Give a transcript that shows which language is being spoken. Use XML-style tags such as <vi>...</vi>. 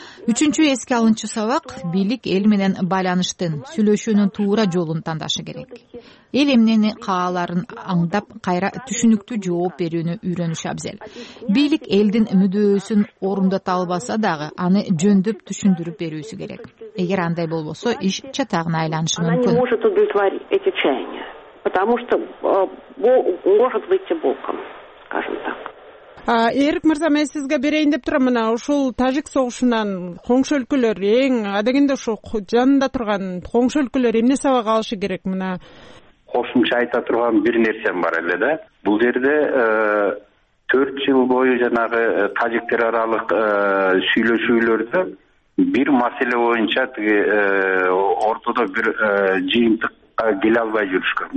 <ky>Үчүнчү эске алынчу сабак бийлик эл менен байланыштын, сүйлөшүүнүн туура жолун тандашы керек. Эл эмнени кааларын аңдап, кайра түшүнүктүү жооп берүүнү үйрөнүшү абзел. Бийлик элдин мүдөөсүн орундата албаса дагы, аны жөндөп түшүндүрүп берүүсү керек. Эгер андай болбосо, иш чатагына айланышы мүмкүн.</ky> <ru>Потому что может выйти боком, скажем так.</ru> <ky>Эрик мырза, мен сизге берейин деп турам, мына ушул тажик согушунан коңшу өлкөлөр эң адегенде ушу жанында турган коңшу өлкөлөр эмне сабак алышы керек? Мына кошумча айта турган бир нерсем бар эле да. Бул жерде 4 жыл бою жанагы тажиктер аралык сүйлөшүүлөрдө бир маселе боюнча тиги ортодо бир жыйынтыкка келе албай жүрүшкөн.</ky>